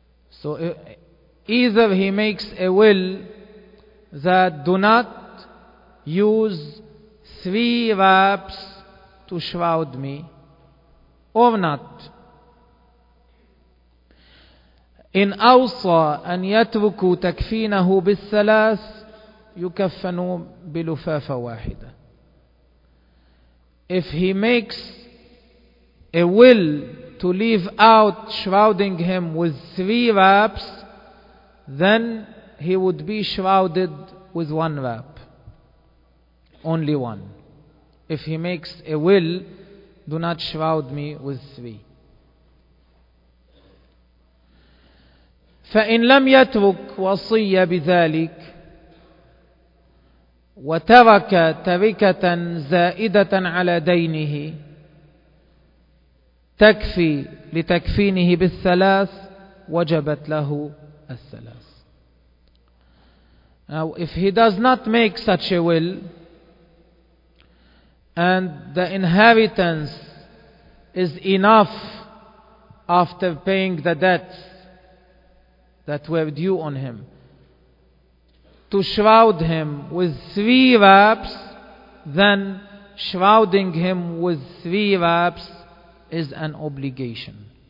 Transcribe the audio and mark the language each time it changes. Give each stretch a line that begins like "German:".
English: So either he makes a will that do not use three wraps to shroud me or not.
Arabic: إن أوصى أن يتركوا تكفينه بالثلاث يكفنوا بلفافة واحدة.
English: If he makes a will to leave out shrouding him with three wraps, then he would be shrouded with one wrap, only one. If he makes a will, do not shroud me with three.
Arabic: فإن لم يترك وصية بذلك وترك تركة زائدة على دينه تكفي لتكفينه بالثلاث وجبت له الثلاث.
English: Now if he does not make such a will and the inheritance is enough after paying the debts that were due on him to shroud him with three wraps, then shrouding him with three wraps is an obligation.